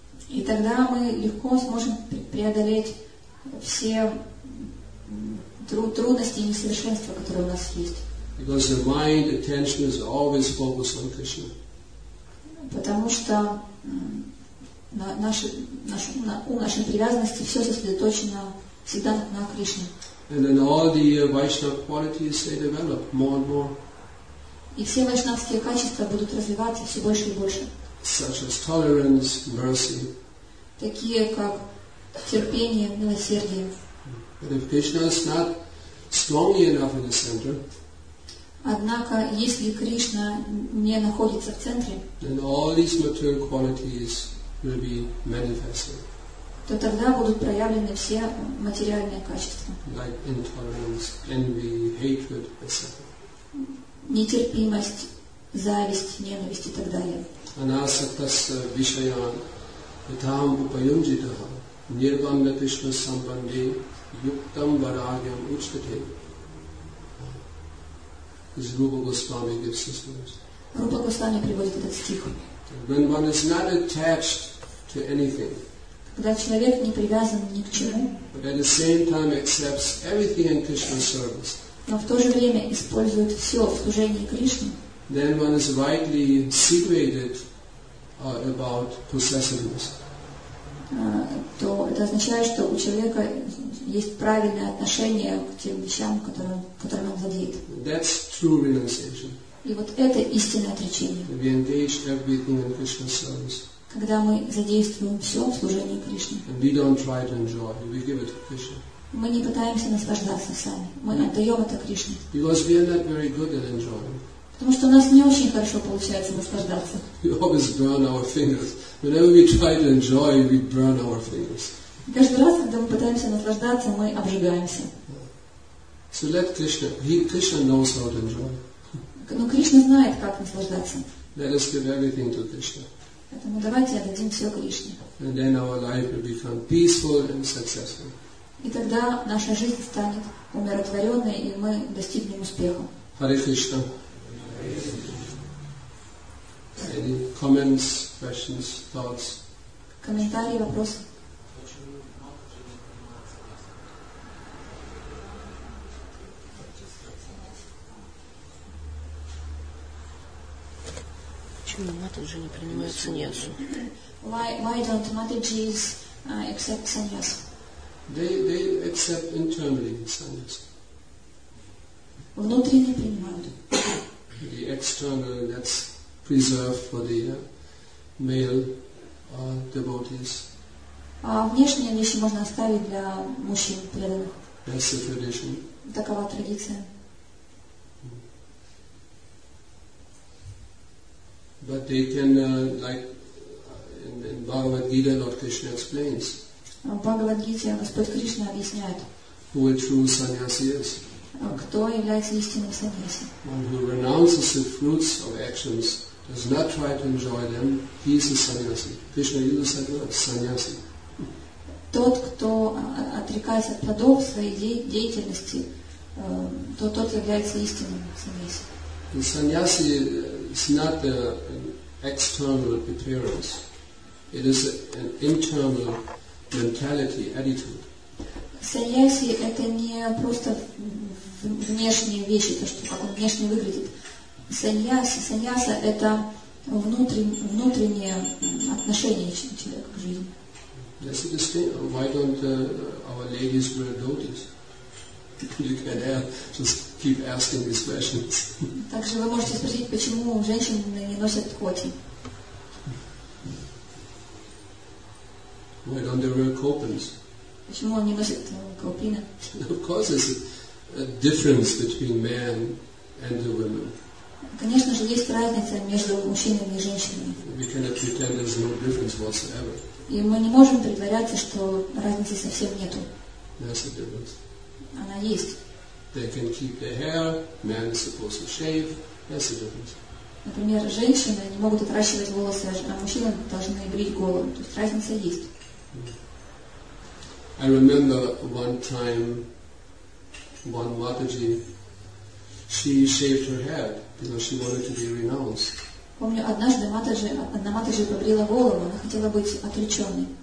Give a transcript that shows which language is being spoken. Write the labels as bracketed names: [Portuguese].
[Russian] И тогда мы легко сможем преодолеть все трудности и несовершенства, которые у нас есть. [English] Because the mind attention is always focused on Krishna. [Russian] Потому что наша привязанность все сосредоточено всегда на Кришне. [English] And then all the Vaishnava qualities they develop more and more. [Russian] И все вайшнавские качества будут развиваться все больше и больше. [English] Such as tolerance, mercy. [Russian] Такие как терпение, милосердие. [English] But if Krishna is not strongly enough in the center, [Russian] однако, если Кришна не находится в центре, [English] then all these material qualities will be manifested. [Russian] То тогда будут проявлены все материальные качества. [English] Like intolerance, envy, hatred, etc. [Russian] Нетерпимость, зависть, ненависть и так далее. [Sanskrit] Anasaktasya vishayan yatham upayunjitah nirvanga krishna sambandhe yuktam varagyam uchtate. [English] This is Rupa Goswami gives this verse. [Russian] Rupa Goswami приводит этот стих. [English] When one is not attached to anything, [Russian] когда человек не привязан ни к чему, [English] but at the same time accepts everything in Krishna's service, [Russian] но в то же время использует все в служении Кришне, [English] then one is rightly situated about possessiveness. [Russian] То это означает, что у человека есть правильное отношение к тем вещам, которыми он владеет. [English] That's true renunciation. [Russian] И вот это истинное отречение. [English] We engage everything in Krishna's service. [Russian] Когда мы задействуем все в служении Кришне. [English] And we don't try to enjoy, we give it to Krishna. [Russian] Мы не пытаемся наслаждаться сами. Мы отдаем это Кришне. [English] Because we are not very good at enjoying. [Russian] Потому что у нас не очень хорошо получается наслаждаться. [English] We always burn our fingers. Whenever we try to enjoy, we burn our fingers. [Russian] Каждый раз, когда мы пытаемся наслаждаться, мы обжигаемся. [English] So let Krishna. Krishna knows how to enjoy. [Russian] Но Кришна знает, как наслаждаться. [English] Let us give everything to Krishna. [Russian] Поэтому давайте отдадим все Кришне. [English] And then our life will become peaceful and successful. [Russian] И тогда наша жизнь станет умиротворенной, и мы достигнем успеха. [English] Hare Krishna. Any comments, questions, thoughts? [Russian] Комментарии, вопросы? Почему матаджи не принимают саньясу? [English] Why don't matajis accept sannyas? They accept internally sannyas. [Russian] Внутренне принимают. [English] The external, that's preserved for the male devotees. [Russian] А внешние вещи можно оставить для мужчин преданных. [English] That's the tradition. [Russian] Такова традиция. [English] But they can, like in Bhagavad Gita, Lord Krishna explains. [Russian] Bhagavad Gita, Господь Кришна объясняет. [English] Who a true sannyasi is. [Russian] Кто является истинным саньяси? [English] One who renounces the fruits of actions does not try to enjoy them, he is a sannyasi. Krishna uses that word, sannyasi. [Russian] Тот, кто отрекается от плодов своей деятельности, тот является истинным сануяси. [English] The sannyasi is not an external appearance. It is an internal mentality, attitude. [Russian] Саньяси – это не просто внешние вещи, то, что, как он внешне выглядит. Саньяса – это внутреннее отношение человека к жизни. [English] That's the distinction. Why don't our ladies wear dhotis? You can just keep asking these questions. [Russian] Также вы можете спросить, почему женщины не носят коти. [English] Why don't they wear copins? [Russian] Почему они носят копина? [English] Of course, there's a difference between men and the women. [Russian] Конечно же, есть разница между мужчинами и женщинами. [English] We cannot pretend there's no difference whatsoever. [Russian] И мы не можем притворяться, что разницы совсем нету. [English] That's the difference. [Russian] Она есть. [English] They can keep their hair. Men are supposed to shave. That's the difference. [Russian] Например, женщины не могут отращивать волосы, а мужчины должны брить голову. То есть разница есть. [English] I remember one time, one Mataji, she shaved her head because she wanted to be renounced. [Russian] Помню, однажды одна Матаджи побрила голову, она хотела быть отреченной.